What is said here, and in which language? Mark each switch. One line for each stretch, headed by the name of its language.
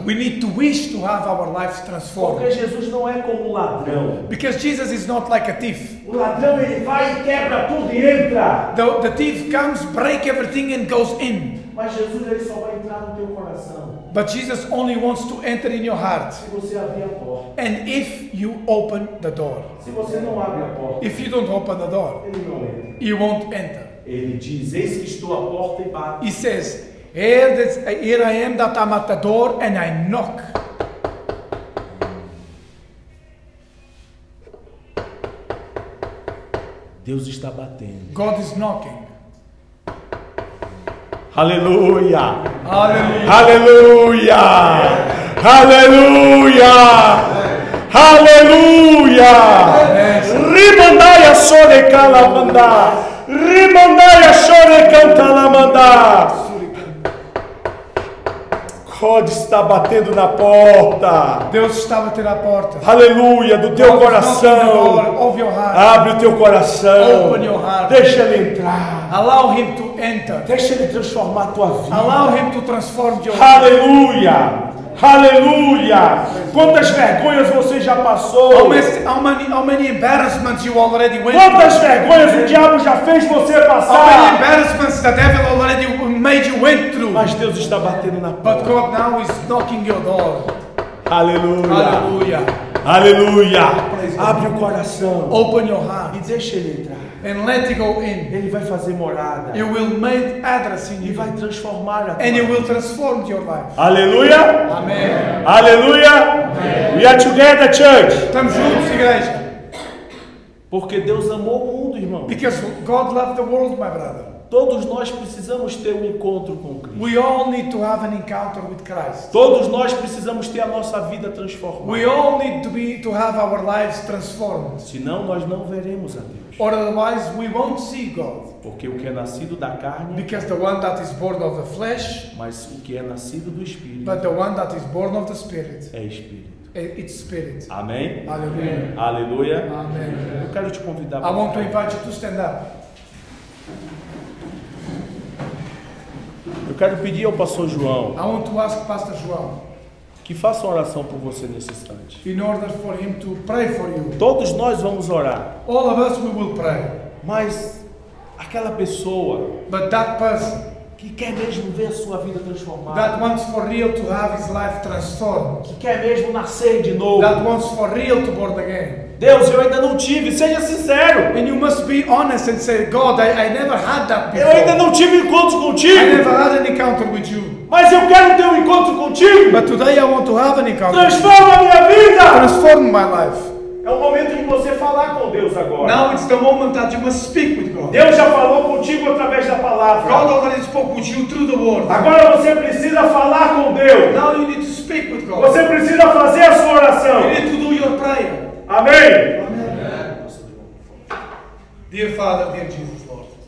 English: We need to wish to have our lives transformed.
Portuguese: Porque Jesus não é como um ladrão.
English: Because Jesus is not like a thief.
Portuguese: O ladrão ele vai e quebra tudo e entra.
English: The thief comes, break everything and goes in.
Portuguese: Mas Jesus ele só vai entrar no teu coração.
English: But Jesus only wants to enter in your heart.
Portuguese: Se você abrir a porta.
English: And if you open the door.
Portuguese: Se você não abre a porta.
English: If you don't open the door.
Portuguese: Ele não entra.
English: He won't enter.
Portuguese: Ele diz, eis que estou à porta e bato.
English: He says, here I am that I'm at the door and I knock.
Portuguese: Deus está batendo.
English: God is knocking.
Portuguese: Aleluia. Aleluia. Aleluia. Aleluia. Rimandaya sore kalamanda. Rimandaya sore kantalamanda. God está batendo na porta. Deus está batendo na porta. Aleluia, do teu coração.
English: Open your heart.
Portuguese: Abre o teu coração.
English: Open your heart.
Portuguese: Deixa ele entrar.
English: Allow him to enter.
Portuguese: Deixa ele transformar a tua vida.
English: Allow him to transform your
Portuguese: life. Aleluia. Aleluia. Quantas vergonhas você já passou?
English: How many embarrassments you already went through?
Portuguese: Quantas vergonhas o diabo já fez você passar?
English: How many embarrassments the devil already made you went through?
Portuguese: Mas Deus está batendo na porta.
English: But God now is knocking your door.
Portuguese: Aleluia. Aleluia. Aleluia. Abre o coração.
English: Open your heart.
Portuguese: E deixa ele entrar.
English: And let it go in.
Portuguese: Ele vai fazer morada.
English: He will make address in
Portuguese: you. Ele vai transformar a tua.
English: And he will transform your life.
Portuguese: Aleluia. Amém. Aleluia. Amém.
English: We are together, church.
Portuguese: Estamos juntos, igreja. Porque Deus amou o mundo, irmão.
English: Because God loved the world, my brother.
Portuguese: Todos nós precisamos ter um encontro com Cristo.
English: We all need to have an encounter with Christ.
Portuguese: Todos nós precisamos ter a nossa vida transformada.
English: We all need to have our lives transformed.
Portuguese: Senão nós não veremos a Deus.
English: Or otherwise we won't see God.
Portuguese: Porque o que é nascido da carne.
English: Because the one that is born of the flesh.
Portuguese: Mas o que é nascido do Espírito.
English: But the one that is born of the Spirit.
Portuguese: É Espírito.
English: It's Spirit.
Portuguese: Amém. Aleluia. Aleluia. Amém. Eu quero te convidar.
English: I want to invite you to stand up.
Portuguese: Eu quero pedir ao pastor João.
English: I want to ask Pastor João.
Portuguese: Que faça uma oração por você nesse instante.
English: In order for him to pray for you.
Portuguese: Todos nós vamos orar.
English: All of us we will pray.
Portuguese: Mas aquela pessoa.
English: But that person.
Portuguese: Que quer mesmo ver a sua vida transformada.
English: That wants for real to have his life transformed.
Portuguese: Que quer mesmo nascer de novo.
English: That wants for real to born again.
Portuguese: Deus, eu ainda não tive, seja sincero.
English: And you must be honest and say, God, I never had that before.
Portuguese: Eu ainda não tive encontro contigo.
English: I never had an encounter with you.
Portuguese: Mas eu quero ter um encontro contigo.
English: But today I want to have an encounter.
Portuguese: Transforma a minha vida.
English: Transform my life.
Portuguese: É o momento de você falar com Deus agora.
English: Now it's the moment that you must speak with God.
Portuguese: Deus já falou contigo através da palavra.
English: God already spoke with you through the word.
Portuguese: Agora você precisa falar com Deus.
English: Now you need to speak with God.
Portuguese: Você precisa fazer a sua oração.
English: You need to do your prayer.
Portuguese: Amém.
English: Amém. Dear Father, dear Jesus, Lord.